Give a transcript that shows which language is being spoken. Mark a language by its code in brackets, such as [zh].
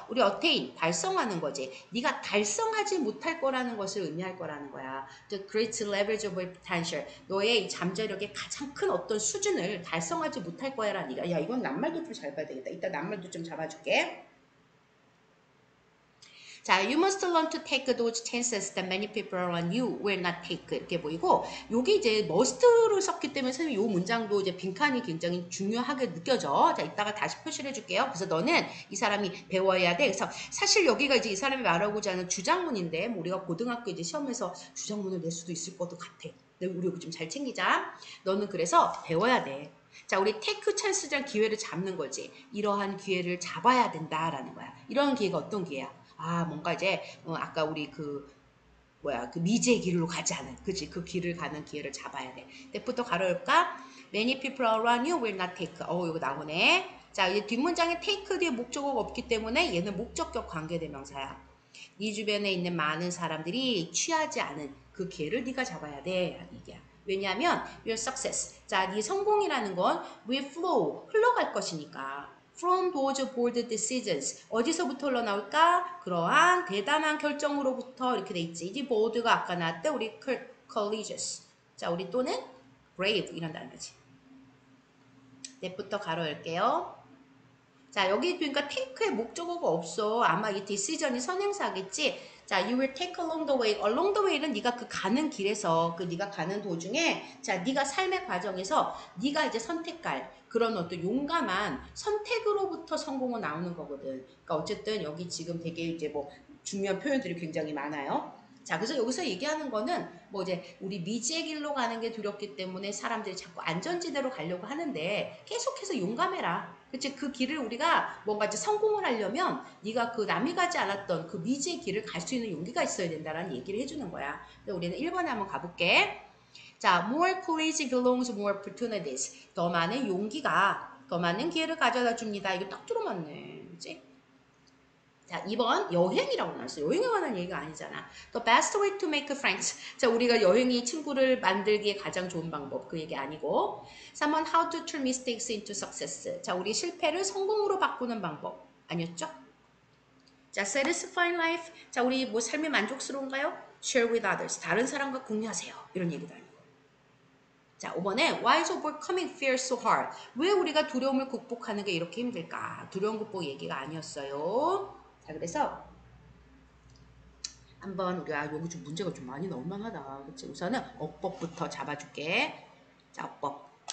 [ko] 우리 attain, 달성하는 거지. 네가 달성하지 못할 거라는 것을 의미할 거라는 거야. [en] The great leverage of potential. [ko] 너의 이 잠재력의 가장 큰 어떤 수준을 달성하지 못할 거야라는 얘기야. 야, 이건 낱말도 좀잘 봐야 되겠다. 이따 낱말도 좀 잡아줄게. [en] 자, you must learn to take those chances that many people around you will not take. [ko] 이렇게 보이고, 요게 이제 must를 썼기 때문에 선생님 요 문장도 이제 빈칸이 굉장히 중요하게 느껴져. 자, 이따가 다시 표시를 해줄게요. 그래서 너는 이 사람이 배워야 돼. 그래서 사실 여기가 이제 이 사람이 말하고자 하는 주장문인데, 뭐 우리가 고등학교 이제 시험에서 주장문을 낼 수도 있을 것도 같아. 근데 우리 여기 좀잘 챙기자. 너는 그래서 배워야 돼. 자, 우리 take chance란 기회를 잡는 거지. 이러한 기회를 잡아야 된다라는 거야. 이러한 기회가 어떤 기회야? 아, 뭔가 이제, 아까 우리 그, 뭐야, 그 미지의 길로 가지 않은, 그지? 그 길을 가는 기회를 잡아야 돼. 때부터 가로열까? [en] Many people around you will not take. [ko] 어우, 이거 나오네. 자, 이제 뒷문장에 take 뒤에 목적어가 없기 때문에 얘는 목적격 관계대명사야. 네 주변에 있는 많은 사람들이 취하지 않은 그 기회를 네가 잡아야 돼. 라는 얘기야. 왜냐하면 [en] your success. [ko] 자, 네 성공이라는 건 [en] will flow, [ko] 흘러갈 것이니까. [en] From those bold decisions. [ko] 어디서부터 흘러나올까? 그러한 대담한 결정으로부터 이렇게 돼 있지. 이 bold가 아까 나왔대. 우리 courageous. 자, 우리 또는 brave 이런 단어지. 넷부터 가로열게요. 자, 여기 보니까 take의 목적어가 없어. 아마 이 decision이 선행사겠지. [en] 자, you will take along the way. Along the way [ko] 는 네가 그 가는 길에서, 그 네가 가는 도중에, 자, 네가 삶의 과정에서 네가 이제 선택할 그런 어떤 용감한 선택으로부터 성공은 나오는 거거든. 그러니까 어쨌든 여기 지금 되게 이제 뭐 중요한 표현들이 굉장히 많아요. 자, 그래서 여기서 얘기하는 거는 뭐 이제 우리 미지의 길로 가는 게 두렵기 때문에 사람들이 자꾸 안전지대로 가려고 하는데 계속해서 용감해라. 그치? 그 길을 우리가 뭔가 이제 성공을 하려면 네가 그 남이 가지 않았던 그 미지의 길을 갈 수 있는 용기가 있어야 된다라는 얘기를 해주는 거야. 우리는 1번에 한번 가볼게. [en] 자, more courage belongs more opportunities. [ko] 더 많은 용기가 더 많은 기회를 가져다 줍니다. 이거 딱 들어맞네. 그치? 자, 2번 여행이라고 나왔어요. 여행에 관한 얘기가 아니잖아. [en] The best way to make friends. [ko] 자, 우리가 여행이 친구를 만들기에 가장 좋은 방법. 그 얘기 아니고. [en] 3번 how to turn mistakes into success. [ko] 자, 우리 실패를 성공으로 바꾸는 방법. 아니었죠? 자, [en] satisfying life. [ko] 자, 우리 뭐 삶이 만족스러운가요? [en] Share with others. [ko] 다른 사람과 공유하세요. 이런 얘기도 아니고. 자, 5번에 [en] why is overcoming fear so hard? [ko] 왜 우리가 두려움을 극복하는 게 이렇게 힘들까? 두려움 극복 얘기가 아니었어요. 자, 그래서 한번 우리가 여기 좀 문제가 좀 많이 나올 만하다. 그치? 우선은 어법부터 잡아줄게. 자, 어법.